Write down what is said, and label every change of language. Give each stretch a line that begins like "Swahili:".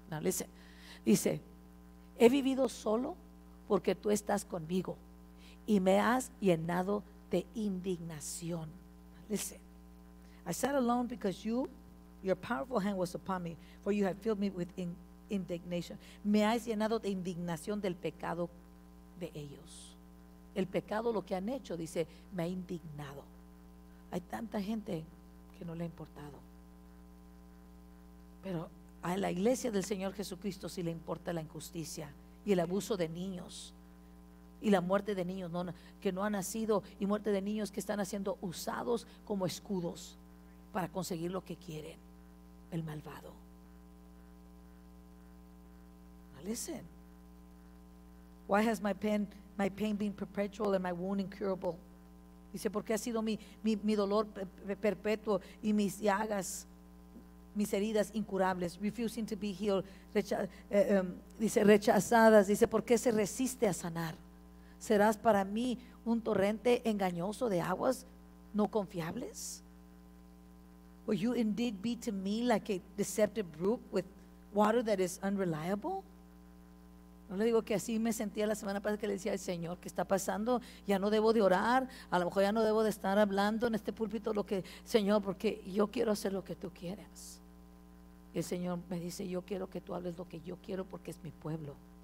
English: Now listen,
Spanish: dice, he vivido solo porque tú estás conmigo y me has llenado de indignación.
English: Listen, I sat alone because you, your powerful hand was upon me, for you have filled me with indignation.
Spanish: Me has llenado de indignación del pecado de ellos. El pecado, lo que han hecho, dice, me ha indignado. Hay tanta gente que no le ha importado, pero a la iglesia del Señor Jesucristo sí le importa la injusticia y el abuso de niños y la muerte de niños que no han nacido y muerte de niños que están siendo usados como escudos para conseguir lo que quieren el malvado.
English: Now listen. Why has my pain been perpetual and my wound incurable?
Spanish: Dice, porque ha sido mi dolor perpetuo y mis llagas, mis heridas incurables,
English: refusing to be healed,
Spanish: rechazadas, dice, ¿por qué se resiste a sanar? ¿Serás para mí un torrente engañoso de aguas no confiables?
English: Will you indeed be to me like a deceptive brook with water that is unreliable?
Spanish: No le digo que así me sentía la semana pasada, que le decía al Señor, ¿qué está pasando? Ya no debo de orar, a lo mejor ya no debo de estar hablando en este púlpito, lo que, Señor, porque yo quiero hacer lo que tú quieras. Y el Señor me dice, yo quiero que tú hables lo que yo quiero porque es mi pueblo.